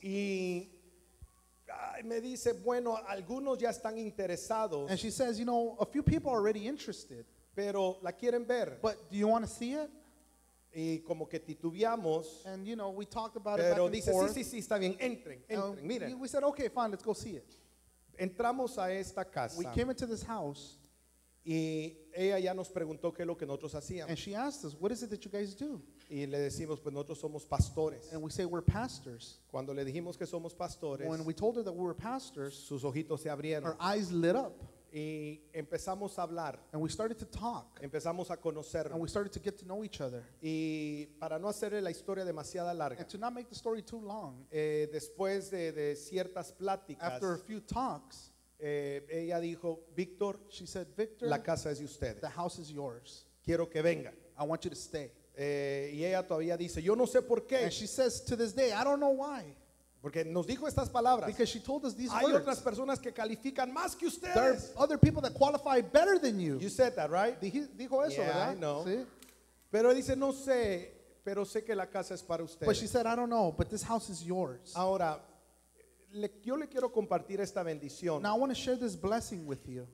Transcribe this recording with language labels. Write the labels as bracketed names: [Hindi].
[Spanish] y me dice, bueno, algunos ya están interesados. [English] And she says, you know, a few people are already interested. [Spanish] Pero la quieren ver. [English] But do you want to see it? [Spanish] Y como que titubeamos. [English] And you know, we talked about [Spanish] pero [English] it back [Spanish] dice, [English] and [Spanish] sí, sí, sí, está bien, entren, miren. [English] We said, okay, fine, let's go see it. [Spanish] Entramos a esta casa. [English] We came into this house. [Spanish] Y ella ya nos preguntó qué es lo que nosotros hacíamos. [English] And she asked us, what is it that you guys do? [Spanish] Y le decimos, pues nosotros somos pastores. [English] And we say, we're pastors. [Spanish] Cuando le dijimos que somos pastores, [English] when we told her that we were pastors, [Spanish] sus ojitos se abrieron. [English] Her eyes lit up. [Spanish] Y empezamos a hablar. [English] And we started to talk. [Spanish] Empezamos a conocernos. [English] And we started to get to know each other. [Spanish] Y para no hacerle la historia demasiado larga, [English] and to not make the story too long, [Spanish] después de ciertas pláticas, [English] after a few talks, [Spanish] ella dijo, Víctor, [English] she said, Victor, [Spanish] la casa es de ustedes. [English] The house is yours. [Spanish] Quiero que venga. [English] I want you to stay. [Spanish] Y ella todavía dice, yo no sé por qué. [English] And she says to this day, I don't know why. [Spanish] Porque nos dijo estas palabras. [English] Because she told us these [Spanish] hay [English] words. [Spanish] Otras personas que califican más que ustedes. [English] There are other people that qualify better than you. You said that, right? [Spanish] Dijo eso, [English] yeah, [Spanish] ¿verdad? [English] I know. [Spanish] ¿Sí? Pero dice, no sé, pero sé que la casa es para ustedes. [English] But she said, I don't know, but this house is yours. [Spanish] Ahora, yo le quiero compartir esta bendición. [English] Now I want to share this blessing with you.